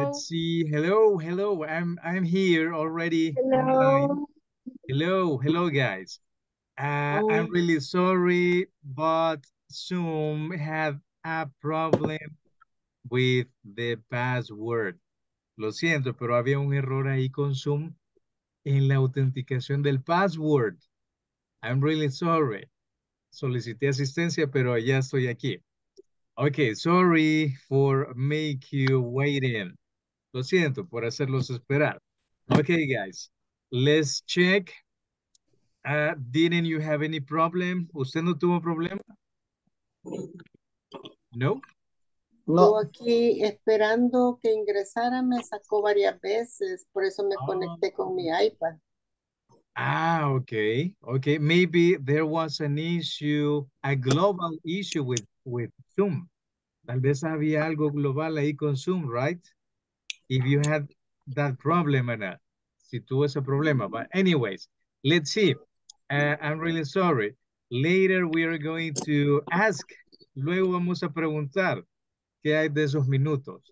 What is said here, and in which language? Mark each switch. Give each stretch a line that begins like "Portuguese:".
English: Let's see, hello, hello, I'm here already online. Hello, hello guys. I'm really sorry, but Zoom have a problem with the password.
Spanish: Lo siento, pero había un error ahí con Zoom en la autenticación del password.
English: I'm really sorry.
Spanish: Solicité asistencia, pero ya estoy aquí.
English: Okay, sorry for make you waiting.
Spanish: Lo siento por hacerlos esperar.
English: Okay, guys, let's check. Didn't you have any problem?
Spanish: ¿Usted no tuvo problema? No. No. Estuve aquí esperando que ingresara, me sacó varias veces, por eso me conecté con mi iPad.
English: Ah, okay. Okay, maybe there was an issue, a global issue with Zoom.
Spanish: Tal vez había algo global ahí con Zoom, right?
English: If you had that problem, Ana,
Spanish: si tuvo ese problema.
English: But anyways, let's see. I'm really sorry. Later we are going to ask.
Spanish: Luego vamos a preguntar qué hay de esos minutos.